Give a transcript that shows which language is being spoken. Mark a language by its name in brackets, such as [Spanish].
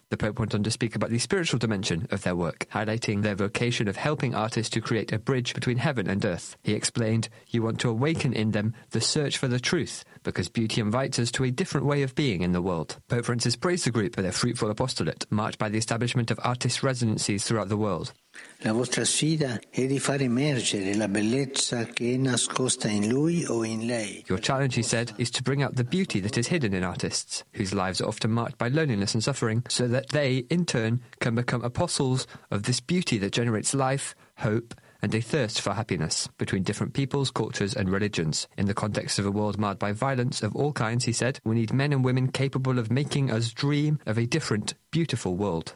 [English] The Pope went on to speak about the spiritual dimension of their work, highlighting their vocation of helping artists to create a bridge between heaven and earth. He explained, "You want to awaken in them the search for the truth, because beauty invites us to a different way of being in the world." Pope Francis praised the group for their fruitful apostolate, marked by the establishment of artists' residencies throughout the world. [Italian] La vostra sfida è di far emergere la bellezza che è nascosta in lui o in lei. [English] Your challenge, he said, is to bring out the beauty that is hidden in artists, whose lives are often marked by loneliness and suffering, so that they, in turn, can become apostles of this beauty that generates life, hope, and a thirst for happiness between different peoples, cultures, and religions. In the context of a world marred by violence of all kinds, he said, we need men and women capable of making us dream of a different, beautiful world.